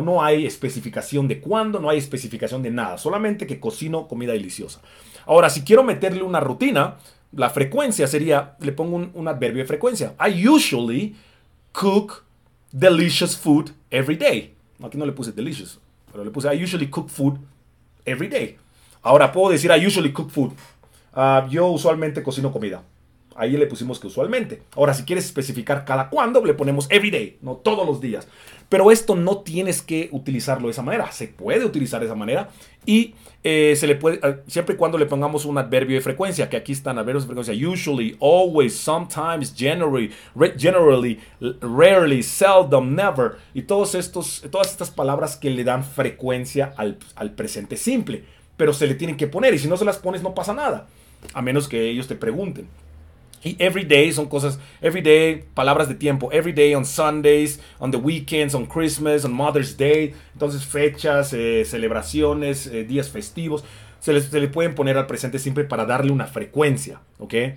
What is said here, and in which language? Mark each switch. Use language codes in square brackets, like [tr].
[es] No hay especificación de cuándo, no hay especificación de nada. Solamente que cocino comida deliciosa. Ahora, si quiero meterle una rutina, la frecuencia sería, le pongo un adverbio de frecuencia. [en] I usually cook delicious food every day. [es] Aquí no le puse [en] delicious, [es] pero le puse [en] I usually cook food every day. [es] Ahora puedo decir [en] I usually cook food. [es] Yo usualmente cocino comida. Ahí le pusimos que usualmente. Ahora, si quieres especificar cada cuándo, le ponemos [en] every day, [es] no todos los días. Pero esto no tienes que utilizarlo de esa manera. Se puede utilizar de esa manera. Y se le puede, siempre y cuando le pongamos un adverbio de frecuencia, que aquí están adverbios de frecuencia. [en] Usually, always, sometimes, generally, generally, rarely, seldom, never. [es] Y todas estas palabras que le dan frecuencia al presente simple. Pero se le tienen que poner. Y si no se las pones, no pasa nada. A menos que ellos te pregunten. Y [en] every day [es] son cosas, every day, palabras de tiempo, [en] every day on Sundays, on the weekends, on Christmas, on Mother's Day, [es] entonces fechas, celebraciones, días festivos, se le pueden poner al presente simple para darle una frecuencia, ¿ok?